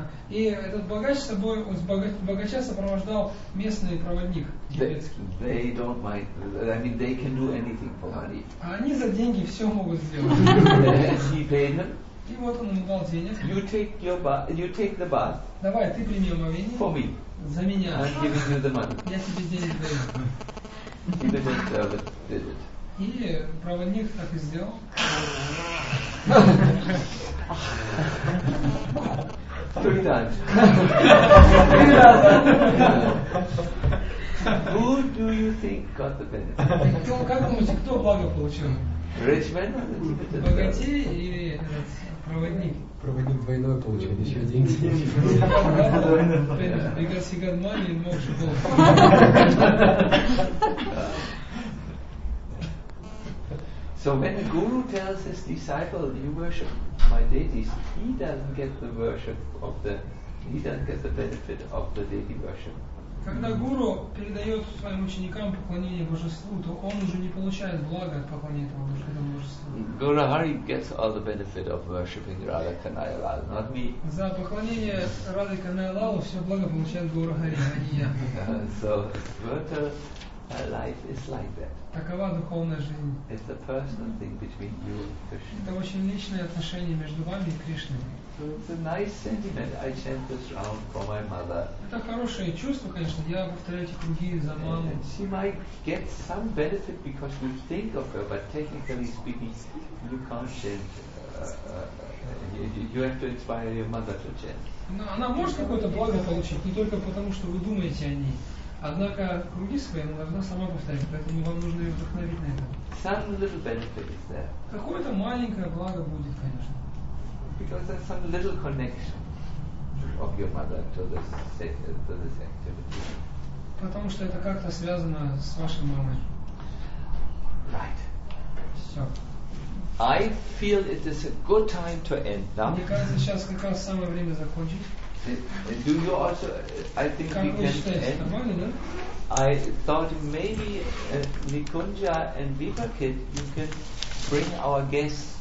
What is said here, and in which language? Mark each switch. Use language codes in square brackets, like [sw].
[ru] И этот богача сопровождал местный проводник тибетский. [en] They don't mind. I mean, they can do anything for money. [ru] А они за деньги все могут сделать. [en] He paid him. [ru] И вот он ему дал денег. [en] You take the bath. [ru] Давай, ты прими омовение. [en] For me. [ru] За меня. [en] I'm giving you the money. [ru] Я тебе денег даю. [en] Tibetan servant did it. [ru] И проводник так и сделал. [en] Who do you think got the benefit? [ru] Как думаете, кто благо получил? [en] Rich man? [ru] Богатей или проводник? Проводник двойное получил, еще деньги. [en] Because he got money and more should go. So when a guru tells his disciple, you worship my deities, he doesn't get the worship of the, he doesn't get the benefit of the deity worship. [ru] Когда гуру передает своим ученикам поклонение божеству, то он уже не получает блага от поклонения этому божеству. [en] Guru Hari gets all the benefit of worshipping Radha Kanhaiya Lal, not me. [ru] За поклонение Радхи Канхаи Лалу все благо получает Гуру Хари, а не я. [en] So spiritual life is like that. [ru] Такова духовная жизнь. [en] It's a personal thing between you and Krishna. [ru] Это очень личное отношение между вами и Кришной. [en] So it's a nice sentiment. I chant this round for my mother. [ru] Это хорошее чувство, конечно. Я повторяю эти круги за маму. [en] And she might get some benefit because you think of her, but technically speaking, you can't chant. You have to inspire your mother to chant. [ru] Но она может какое-то благо получить не только потому, что вы думаете о ней. Однако круги свои она должна сама повторять, поэтому вам нужно ее вдохновить на это. [en] Some little benefit is there. [ru] Какое-то маленькое благо будет, конечно. [en] Because there's some little connection of your mother to this activity. [ru] Потому что это как-то связано с вашей мамой. [en] Right. [ru] Все. [en] I feel it is a good time to end now. [ru] Мне кажется, сейчас как раз самое время закончить. [en] Do you also? I think [ru] как [en] we can end. [ru] Нормально, да? [en] I thought maybe Nikunja and Vipakit, you can bring our guests.